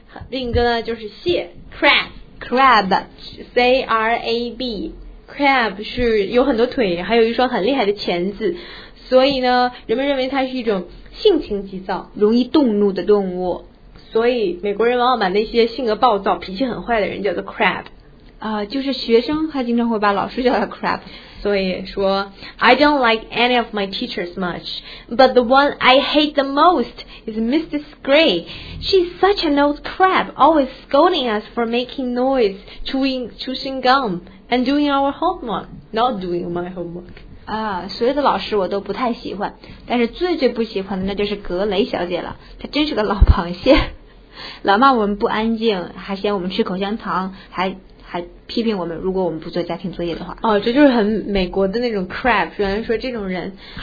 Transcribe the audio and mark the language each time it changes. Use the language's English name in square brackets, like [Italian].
[Chinese] 另一个呢就是蟹 crab，C-R-A-B，crab 是有很多腿，还有一双很厉害的钳子。所以呢，人们认为它是一种性情急躁、容易动怒的动物，所以美国人往往把那些性格暴躁、脾气很坏的人叫做 crab。就是学生他经常会把老师叫他 crap。所以说 [English] I don't like any of my teachers much, but the one I hate the most is Mrs. Gray. She's such an old crab, always scolding us for making noise, chewing gum, and doing our homework, not doing my homework. [Chinese] 啊，所有的老师我都不太喜欢，但是最最不喜欢的那就是格雷小姐了，她真是个老螃蟹，老骂我们不安静，还嫌我们吃口香糖，还批评我们，如果我们不做家庭作业的话。哦，这就是很美国的那种 crap， 有人说这种人